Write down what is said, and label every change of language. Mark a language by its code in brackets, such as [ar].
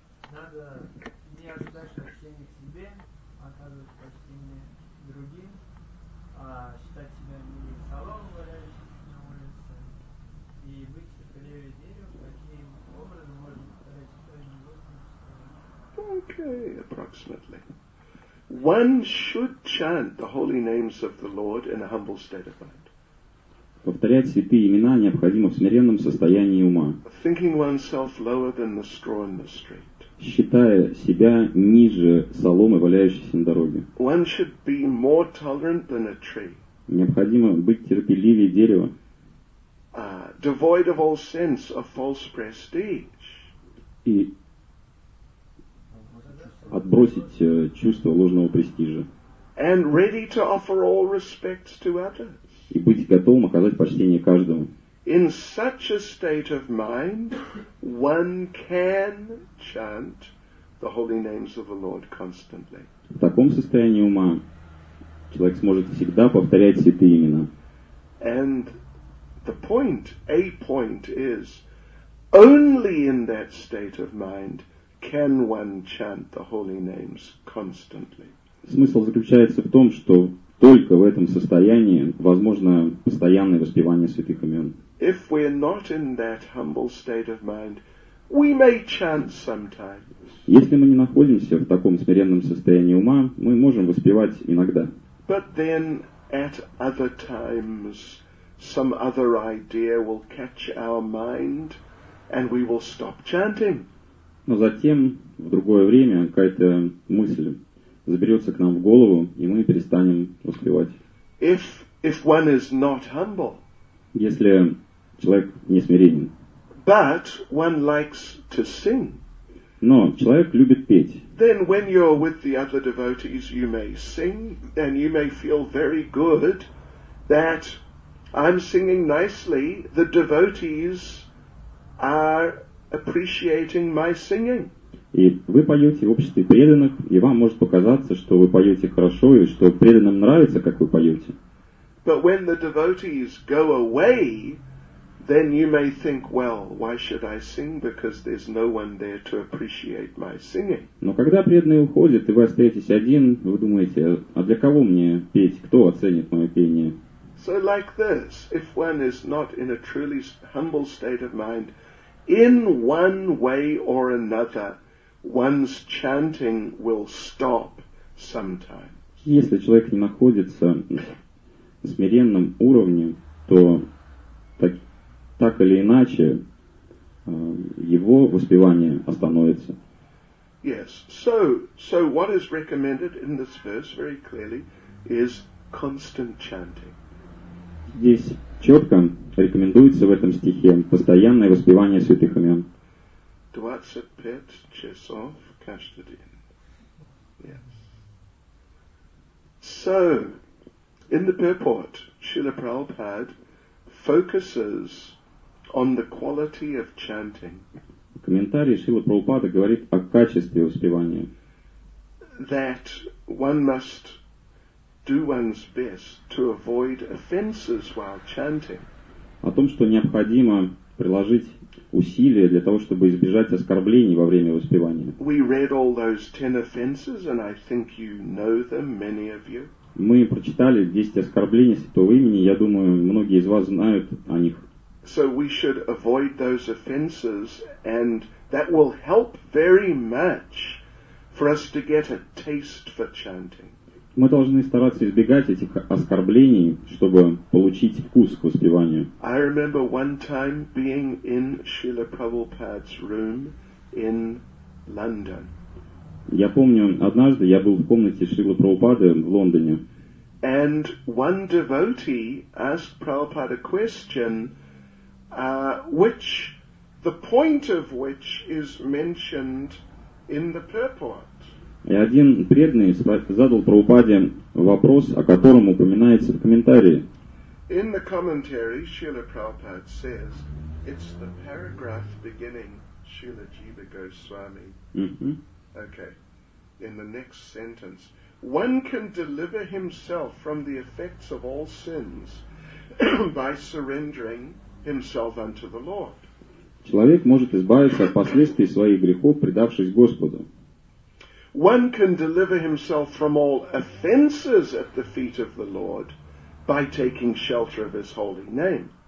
[ru] Надо не ожидать почтения к себе, оказывать почтение другим, а считать себя милее салон, валяющийся на улице, и быть сохранее дерево, каким образом можно повторять правильный возраст. [en] Окей, approximately. One should chant the holy names of the Lord in a humble state of mind. [ru] Повторять святые имена необходимо в смиренном состоянии ума. [en] Thinking oneself lower than the straw in the street. [ru] Считая себя ниже соломы, валяющейся на дороге. [en] One should be more tolerant than a tree. [ru] Необходимо быть терпеливее дерева. [en] Devoid of all sense of false prestige. [ru] И отбросить чувство ложного престижа. [en] And ready to offer all respects to others. [ru] И быть готовым оказать почтение каждому. [en] In such a state of mind, one can chant the holy names of the Lord constantly. [ru] В таком состоянии ума человек сможет всегда повторять святые имена. [en] And the point, a point is, only in that state of mind can one chant the holy names constantly? [ru] Смысл заключается в том, что только в этом состоянии возможно постоянное воспевание святых имен. [en] If we're not in that humble state of mind, we may chant sometimes. [ru] Если мы не находимся в таком смиренном состоянии ума, мы можем воспевать иногда. [en] But then at other times some other idea will catch our mind and we will stop chanting. [ru] Но затем, в другое время, какая-то мысль заберется к нам в голову, и мы перестанем воспевать. [en] If one is not humble, [ru] если человек не смиренен, [en] but one likes to sing, [ru] но человек любит петь, [en] then when you're with the other devotees, you may sing, and you may feel very good that I'm singing nicely, the devotees are appreciating my singing. [ru] И вы поете в обществе преданных, и вам может показаться, что вы поете хорошо, и что преданным нравится, как вы поете. [en] But when the devotees go away, then you may think, well, why should I sing? Because there's no one there to appreciate my singing. [ru] Но когда преданные уходят, и вы остаетесь один, вы думаете, а для кого мне петь? Кто оценит мое пение? [en] So like this, if one is not in a truly humble state of mind, in one way or another, one's chanting will stop sometimes. [ru] Если человек не находится на смиренном уровне, то так или иначе его воспевание остановится. [en] Yes. So what is recommended in this verse very clearly is constant chanting. [ru] Здесь четко рекомендуется в этом стихе постоянное воспевание святых имен. 25 часов каждый день. [en] Yes. So, in the purport, Srila Prabhupada focuses on the quality of chanting. [ru] В комментарии Шрила Прабхупада говорит о качестве воспевания. [en] That one must do one's best to avoid offenses while chanting. [ru] О том, что необходимо приложить усилия для того, чтобы избежать оскорблений во время воспевания. [en] We read all those 10 offenses, and I think you know them, many of you. [ru] Мы прочитали 10 оскорблений святого имени, я думаю, многие из вас знают о них. [en] So we should avoid those offenses, and that will help very much for us to get a taste for chanting. [ru] Мы должны стараться избегать этих оскорблений, чтобы получить вкус к воспеванию. [en] I remember one time being in Srila Prabhupada's room in London. [ru] Я помню, однажды я был в комнате Шрилы Прабхупады в Лондоне. [en] And one devotee asked Prabhupada a question, which the point of which is mentioned in the purport. [ru] И один преданный задал Прабхупаде вопрос, о котором упоминается в комментарии. [en] In the commentary, Srila Prabhupada says, it's the paragraph beginning, Srila Jiva Goswami. Okay. In the next sentence, one can deliver himself from the effects of all sins by surrendering himself unto the Lord. [ru] Человек может избавиться от последствий своих грехов, предавшись Господу. [en] One can deliver himself from all offenses at the feet of the Lord by taking shelter of his holy name.